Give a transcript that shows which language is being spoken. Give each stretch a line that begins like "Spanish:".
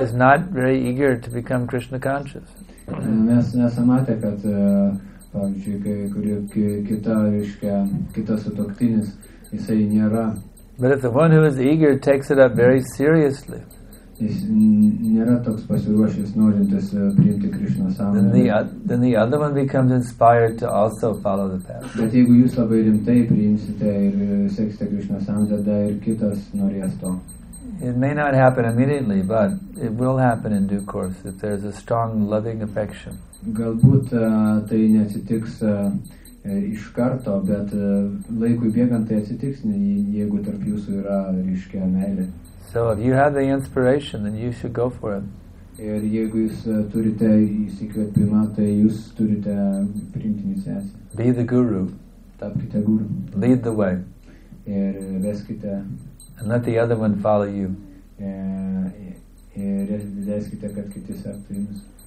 English: is not very eager to become Krishna conscious.
Lithuanian: Mes nesamate, kad pavyzdžiui, kita sutoktinis, jisai nėra.
English: But if the one who is eager takes it up very seriously,
Lithuanian: jis nėra toks pasiruošęs norintis priimti Krishna sąmonę.
English: Then the other one becomes inspired to also follow the path.
Lithuanian: Bet jeigu jūs labai rimtai priimsite ir seksite Krishna sąmonę, tada ir kitas norės to.
English: It may not happen immediately, but it will happen in due course if there is a strong loving affection.
Lithuanian: Galbūt tai neatsitiks iš karto, bet laikui bėgant tai atsitiks, jeigu tarp jūsų yra ryškia meilė.
English: So if you have the inspiration, then you should go for it.
Lithuanian: Ir jeigu jūs turite įsikvėpimą, tai jūs turite priimti iniciaciją.
English: Be the guru.
Lithuanian: Tapkite guru.
English: Lead the way.
Lithuanian: Ir veskite.
English: And let the other one follow you.
Lithuanian: Ir veskite, kad kiti sektų jums.